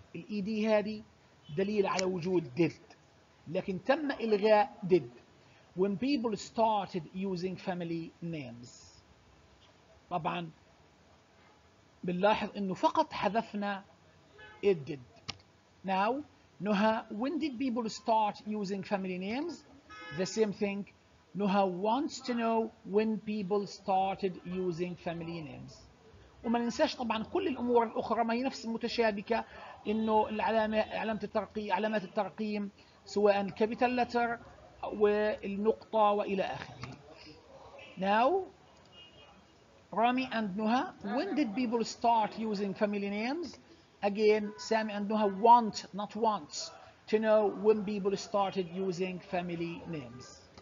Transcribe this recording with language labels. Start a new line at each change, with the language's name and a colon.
Arabic: الED هذه دليل على وجود did. لكن تم إلغاء
English: did. When people started using family names.
Arabic: طبعا بنلاحظ أنه فقط حذفنا
English: it did. Now, Noha, when did people start using family names? The same thing. Noha wants to know when people started using family names.
Arabic: وما ننساش طبعا كل الأمور الأخرى ما هي نفس المتشابكة إنه العلامة علامات الترقيم سواء capital letter والنقطة وإلى آخره.
English: Now, Rami and Noha, when did people start using family names? Again, Sami and Noha want, not wants, to know when people started using family names.